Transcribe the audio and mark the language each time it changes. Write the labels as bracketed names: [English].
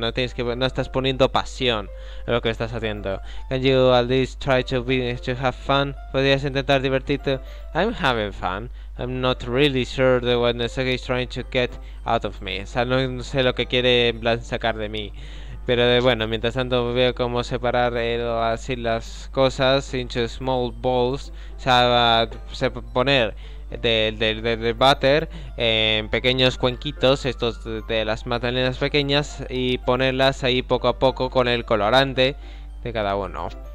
[Spanish] No tienes que. No estás poniendo pasión en lo que estás haciendo. [English] Can you at least try to be to have fun? [Spanish] ¿Podrías intentar divertirte? [English] I'm having fun. I'm not really sure the what Nesek is trying to get out of me. [Spanish] O sea, no sé lo que quiere en plan sacar de mí. Pero bueno, mientras tanto veo cómo separar así las cosas [English] into small bowls. [Spanish] O sea, poner de butter en pequeños cuenquitos, estos de las magdalenas pequeñas, y ponerlas ahí poco a poco con el colorante de cada uno.